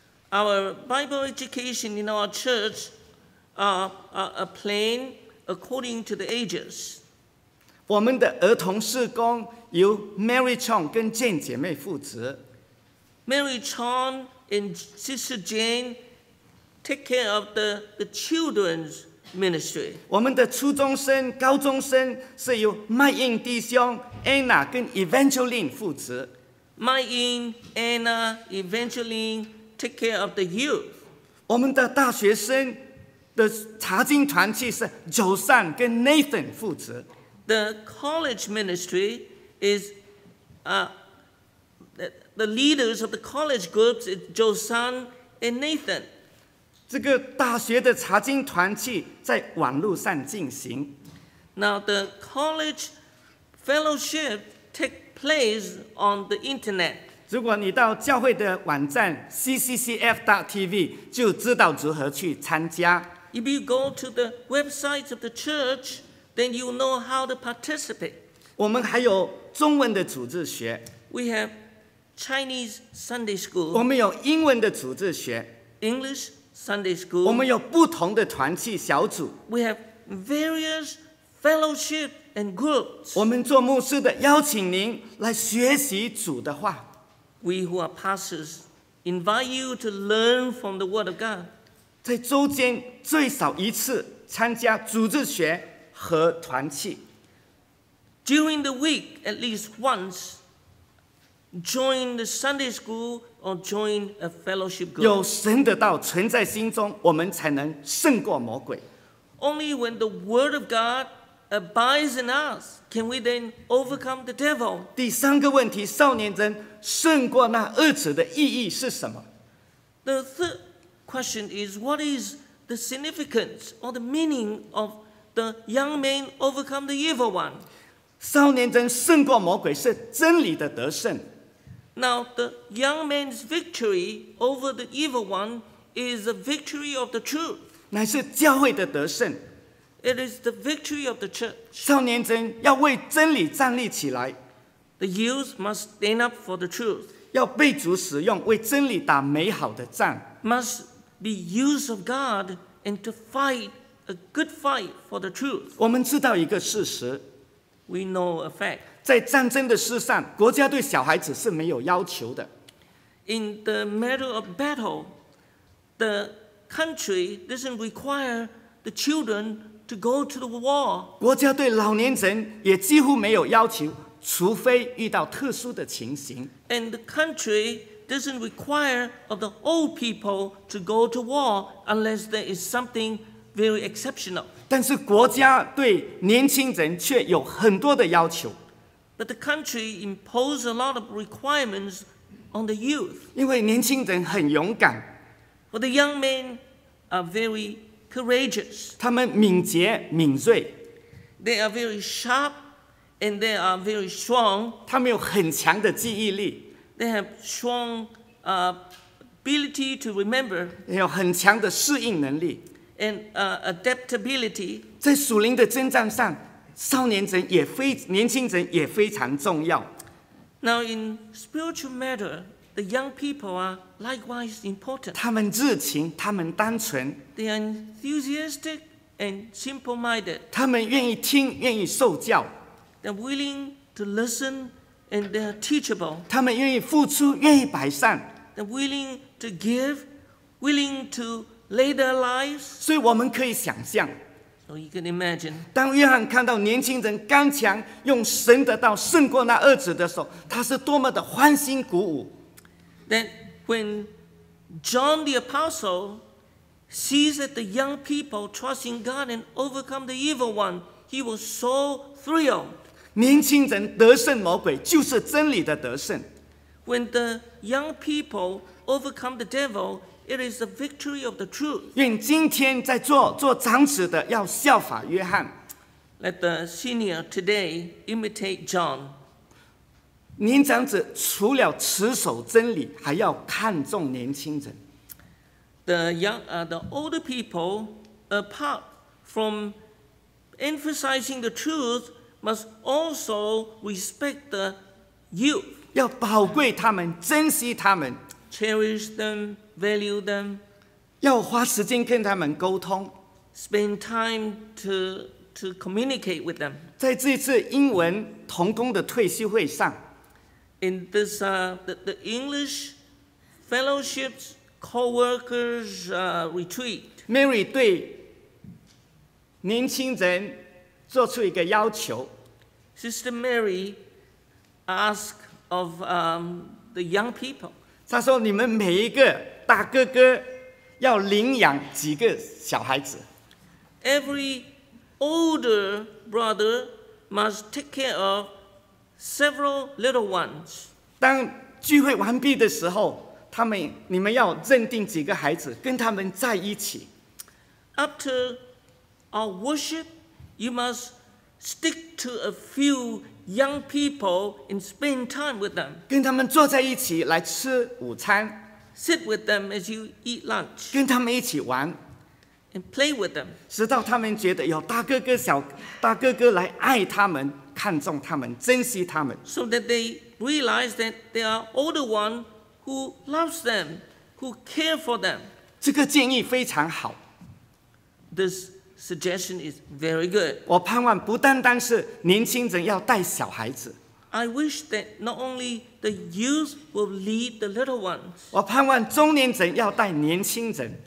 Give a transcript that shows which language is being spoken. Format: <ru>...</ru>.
<en>Our Bible education in our church are plain according to the ages.</en> <zh>我们的儿童事工由 Mary Chong 跟 Jane 姐妹负责。</zh> <en>Mary Chong and Sister Jane take care of the children's ministry.</en> <zh>我们的初中生、高中生是由 Mai Ying 弟兄、Anna 跟 Evangeline 负责。</zh> <en>Mai Ying, Anna, Evangeline take care of the youth.</en> <zh>我们的大学生的查经团契是 Josan 跟 Nathan 负责。</zh> <en>The college ministry is the leaders of the college groups is Josan and Nathan.</en> <zh>这个大学的查经团契在网络上进行。</zh> <en>Now the college fellowship take place on the internet.</en> <zh>如果你到教会的网站 cccf.tv 就知道如何去参加。</zh> <en>If you go to the website of the church, then you know how to participate.</en> <zh>我们还有中文的主日学。</zh> <en>We have Chinese Sunday school.</en> <zh>我们有英文的主日学。</zh> <en>English Sunday school.</en> <zh>我们有不同的团契小组。</zh> <en>We have various fellowship and groups.</en> <zh>我们做牧师的邀请您来学习主的话。</zh> <en>We who are pastors invite you to learn from the Word of God.</en> <zh>在周间最少一次参加主日学和团契。</zh> <en>During the week, at least once, join the Sunday school or join a fellowship group.</en> <zh>有神的道存在心中，我们才能胜过魔鬼。</zh> <en>Only when the word of God abides in us, can we then overcome the devil.</en> <zh>第三个问题，少年人胜过那恶者的意义是什么？</zh> <en>The third question is, what is the significance or the meaning of the young man overcome the evil one?</en> <zh>少年人胜过魔鬼是真理的得胜。</zh> <en>Now the young man's victory over the evil one is a victory of the truth.</en> <zh>乃是教会的得胜。</zh> <en>It is the victory of the church.</en> <zh>少年人要为真理站立起来。</zh> <en>The youth must stand up for the truth.</en> <zh>要被主使用，为真理打美好的仗。</zh> <en>Must be used of God and to fight a good fight for the truth.</en> <zh>我们知道一个事实。</zh> <en>We know a fact.</en> <zh>在战争的事上，国家对小孩子是没有要求的。</zh> <en>In the matter of battle, the country doesn't require the children to go to the war.</en> <zh>国家对老年人也几乎没有要求，除非遇到特殊的情形。</zh> <en>And the country doesn't require of the old people to go to war unless there is something very exceptional.</en> <zh>但是国家对年轻人却有很多的要求。</zh> <en>But the country imposes a lot of requirements on the youth.</en> <zh>因为年轻人很勇敢。</zh> <en>But the young men are very courageous.</en> <zh>他们敏捷敏锐。</zh> <en>They are very sharp and they are very strong.</en> <zh>他们有很强的记忆力。</zh> <en>They have strong ability to remember.</en> <zh>也有很强的适应能力。</zh> <en>And adaptability.</en> <zh>在属灵的征战上，少年人也非年轻人也非常重要。</zh> <en>Now in spiritual matter, The young people are likewise important.</en> <zh>他们热情，他们单纯。</zh> <en>They are enthusiastic and simple-minded.</en> <zh>他们愿意听，愿意受教。</zh> <en>They're willing to listen and they're teachable.</en> <zh>他们愿意付出，愿意摆上。</zh> <en>They're willing to give, willing to lay their lives.</en> <zh>所以我们可以想象。</zh> <en>So you can imagine.</en> <zh>当约翰看到年轻人刚强，用神的道胜过那恶者的时候，他是多么的欢欣鼓舞。</zh> <en>That when John the Apostle sees that the young people trust in God and overcome the evil one, he was so thrilled.</en> <zh>年轻人得胜魔鬼，就是真理的得胜。</zh> <en>When the young people overcome the devil, it is the victory of the truth.</en> <zh>愿今天在做长子的要效法约翰。</zh> <en>Let the senior today imitate John.</en> <zh>年长者除了持守真理，还要看重年轻人。</zh> <en>The older people, apart from emphasizing the truth, must also respect the youth.</en> <zh>要宝贵他们，珍惜他们。</zh> <en>Cherish them, value them.</en> <zh>要花时间跟他们沟通。</zh> <en>Spend time to communicate with them.</en> <zh>在这次英文同工的退休会上。</zh> <en>In this, the English fellowship's co-workers retreat.</en> <zh>Mary 对年轻人做出一个要求。</zh> <en>Sister Mary asked of the young people.</en> <zh>她说：“你们每一个大哥哥要领养几个小孩子。</zh> <en>Every older brother must take care of several little ones.”</en> <zh>当聚会完毕的时候，你们要认定几个孩子，跟他们在一起。</zh> <en>After our worship, you must stick to a few young people and spend time with them.</en> <zh>跟他们坐在一起来吃午餐。</zh> <en>Sit with them as you eat lunch.</en> <zh>跟他们一起玩。</zh> <en>And play with them.</en> <zh>直到他们觉得有大哥哥、小大哥哥来爱他们、看重他们、珍惜他们。</zh> <en>So that they realize that there are older ones who loves them, who care for them.</en> <zh>这个建议非常好。</zh> <en>This suggestion is very good.</en> <zh>我盼望不单单是年轻人要带小孩子。</zh> <en>I wish that not only the youth will lead the little ones.</en> <zh>我盼望中年人要带年轻人。</zh>